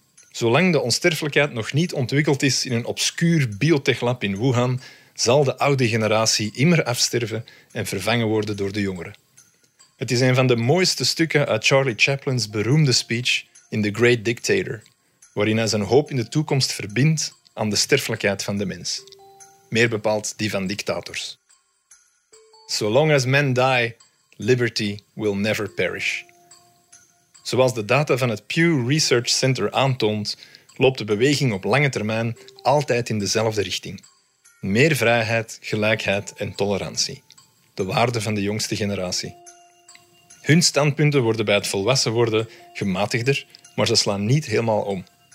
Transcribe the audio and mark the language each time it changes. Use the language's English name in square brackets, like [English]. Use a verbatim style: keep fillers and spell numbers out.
[Dutch] Zolang de onsterfelijkheid nog niet ontwikkeld is in een obscuur biotechlab in Wuhan, zal de oude generatie immer afsterven en vervangen worden door de jongeren. Het is een van de mooiste stukken uit Charlie Chaplin's beroemde speech in The Great Dictator, waarin hij zijn hoop in de toekomst verbindt aan de sterfelijkheid van de mens. Meer bepaald die van dictators. [English] So long as men die, liberty will never perish. [Dutch] Zoals de data van het Pew Research Center aantoont, loopt de beweging op lange termijn altijd in dezelfde richting. Meer vrijheid, gelijkheid en tolerantie. De waarden van de jongste generatie. Hun standpunten worden bij het volwassen worden gematigder, maar ze slaan niet helemaal om.